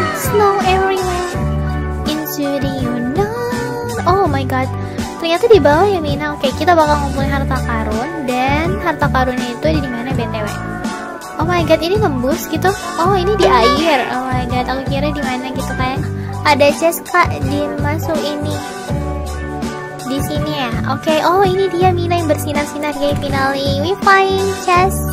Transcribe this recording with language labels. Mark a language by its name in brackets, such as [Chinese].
[English] Snow everywhere, into the unknown. Oh my god, [Indonesian] ternyata di bawah ya Mina. Oke, okay, kita bakal ngumpulin harta karun. Dan harta karunnya itu ada di mana BTW? [English] Oh my god, [Indonesian] ini nembus gitu. Oh, ini di air. Oh my god, aku kira di mana gitu kayak. Ada chest kak, dimasuk ini. Di sini ya. Oke, okay. Oh ini dia Mina yang bersinar-sinar. [English] Yay, finally we find chest.